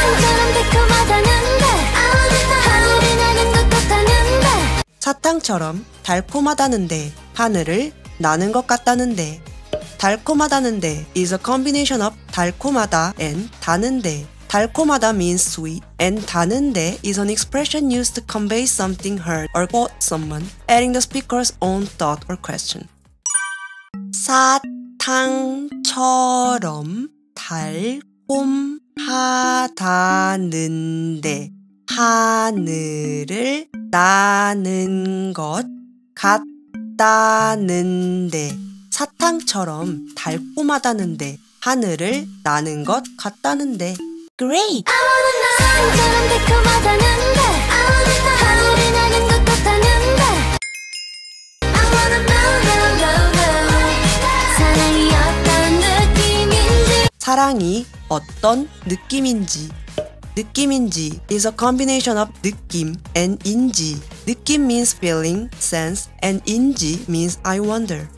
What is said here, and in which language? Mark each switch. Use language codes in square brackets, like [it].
[ko] 사탕처럼 달콤하다는데 [en] I wanna know. [ko] 하늘이 내린 것 같다는데 사탕처럼 달콤하다는데 하늘을 나는 것 같다는데 [en] 달콤하다는데 is a combination of 달콤하다 and 다는데 달콤하다 means sweet and 다는데 is an expression used to convey something heard or thought someone adding the speaker's own thought or question [ko] 사탕처럼 달콤하다는데 하늘을 나는 것 같다는데 사탕처럼 달콤하다는데 하늘을 나는 것 같다는데 [en] Great! I wanna know [ko] 사탕처럼 달콤하다는데 [en] I wanna know [ko] 하늘을 나는 것 같다는데 [en] I wanna know no, no, no, no. [ko] 사랑이 어떤 느낌인지 사랑이 어떤 느낌인지 [en] 느낌인지 is a combination of 느낌 and 인지 느낌 means feeling, sense, and 인지 means I wonder.